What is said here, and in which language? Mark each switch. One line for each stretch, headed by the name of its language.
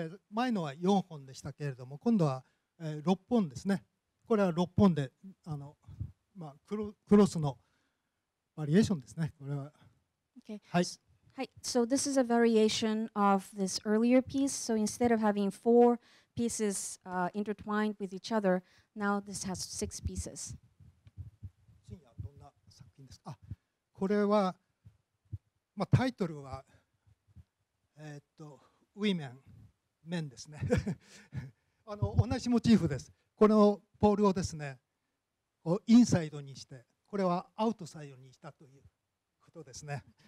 Japanese: 前のは4本でしたけれども、今度は6本ですね。これは6本で、まあ、クロスのバリエーションですね。これは。
English: Okay.
Japanese: はい。
English: Hi. So this is a variation of this earlier piece. So instead of having four pieces intertwined with each other, now this has six pieces.
Japanese: どんな作品ですか？これは、まあ、タイトルは、Women、Men ですね。同じモチーフです。このポールをですね、をインサイドにして、これはアウトサイドにしたということですね。